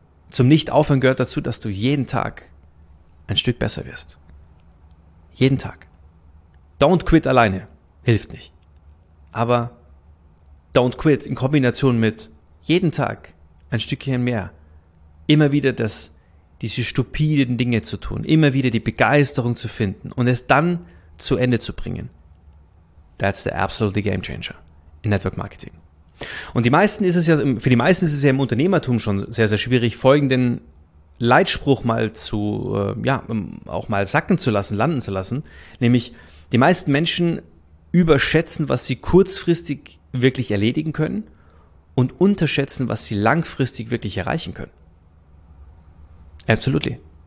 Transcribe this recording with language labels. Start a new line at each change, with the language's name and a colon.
German: Zum Nicht-Aufhören gehört dazu, dass du jeden Tag ein Stück besser wirst. Jeden Tag.
English: Don't quit
German: alleine. Hilft nicht. Aber
English: don't quit
German: in Kombination mit jeden Tag ein Stückchen mehr. Immer wieder diese stupiden Dinge zu tun. Immer wieder die Begeisterung zu finden und es dann zu Ende zu bringen.
English: That's the absolute game changer in Network Marketing.
German: Und für die meisten ist es ja im Unternehmertum schon sehr, sehr schwierig, folgenden Leitspruch mal zu, auch mal sacken zu lassen, landen zu lassen. Nämlich, die meisten Menschen überschätzen, was sie kurzfristig wirklich erledigen können und unterschätzen, was sie langfristig wirklich erreichen können.
English: Absolutely.